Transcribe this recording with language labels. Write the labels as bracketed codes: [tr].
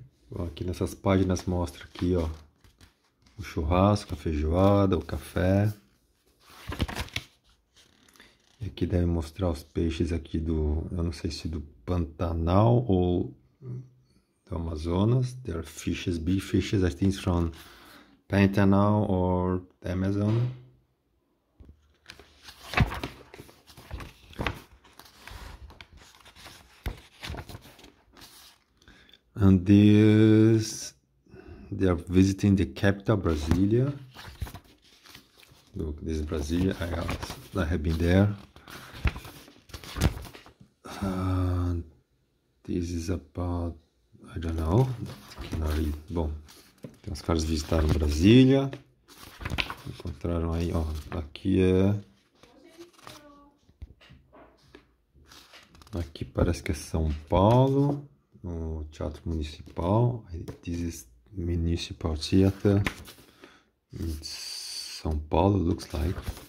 [pt] Bom, aqui nessas páginas mostra aqui, ó, o churrasco, a feijoada, o café. E aqui deve mostrar os peixes aqui do, eu não sei se do Pantanal ou do Amazonas. [en] There are fishes, big fishes, I think it's from Pantanal or the Amazon. And they are visiting the capital, Brasília. Look, this is Brasília. I have been there. This is about, I don't know. [pt] Bom, tem uns caras visitaram Brasília. Encontraram aí, ó. Aqui é Aqui parece que é São Paulo, no Teatro Municipal. [en] This is Municipal Theater in São Paulo, looks like.